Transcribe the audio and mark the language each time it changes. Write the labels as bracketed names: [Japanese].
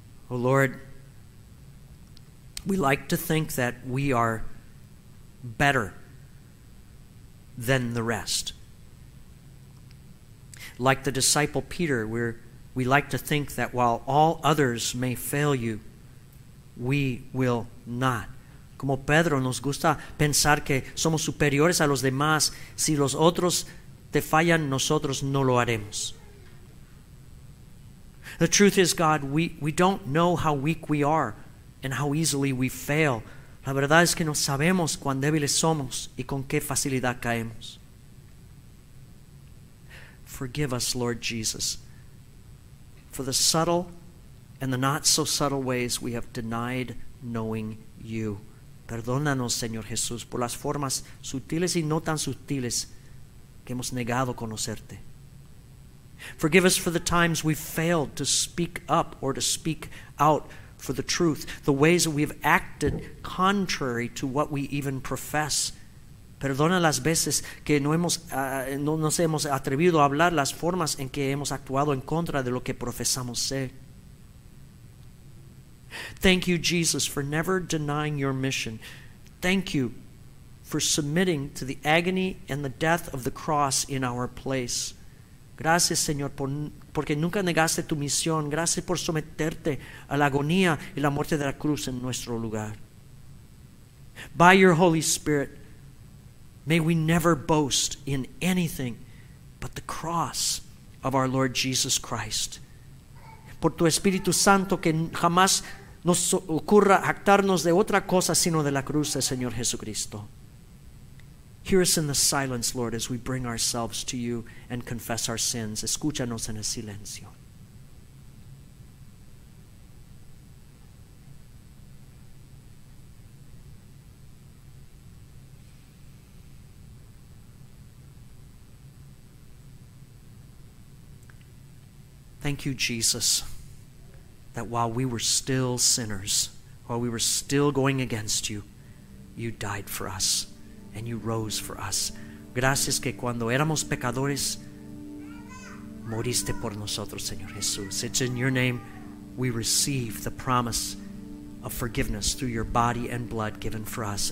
[English] Oh Lord, we like to think that we are better than the rest. Like the disciple Peter, we like to think that while all others may fail you, we will not. [Spanish] Como Pedro, nos gusta pensar que somos superiores a los demás. Si los otros te fallan, nosotros no lo haremos. [English] The truth is, God, we don't know how weak we are and how easily we fail. [Spanish] La verdad es que no sabemos cuán débiles somos y con qué facilidad caemos. [English] Forgive us, Lord Jesus, for the subtle and the not so subtle ways we have denied knowing you. [Spanish] Perdónanos, Señor Jesús, por las formas sutiles y no tan sutiles que hemos negado conocerte. [English] Forgive us for the times we've failed to speak up or to speak out for the truth, the ways that we have acted contrary to what we even profess. [Spanish] Perdona las veces que no nos hemos atrevido a hablar, las formas en que hemos actuado en contra de lo que profesamos ser. [English] Thank you, Jesus, for never denying your mission. Thank you for submitting to the agony and the death of the cross in our place. [Spanish] Gracias, Señor, porque nunca negaste tu misión. Gracias por someterte a la agonía y la muerte de la cruz en nuestro lugar. [English] By your Holy Spirit, may we never boast in anything but the cross of our Lord Jesus Christ. [Spanish] por tu Espíritu Santo, que jamás nos ocurra actarnos de otra cosa sino de la cruz del Señor Jesucristo. [English] Hear us in the silence, Lord, as we bring ourselves to you and confess our sins. [Spanish] Escúchanos en el silencio. [English] Thank you, Jesus, that while we were still sinners, while we were still going against you, you died for us and you rose for us. [Spanish] Gracias que cuando éramos pecadores, moriste por nosotros, Señor Jesús. [English] It's in your name we receive the promise of forgiveness through your body and blood given for us.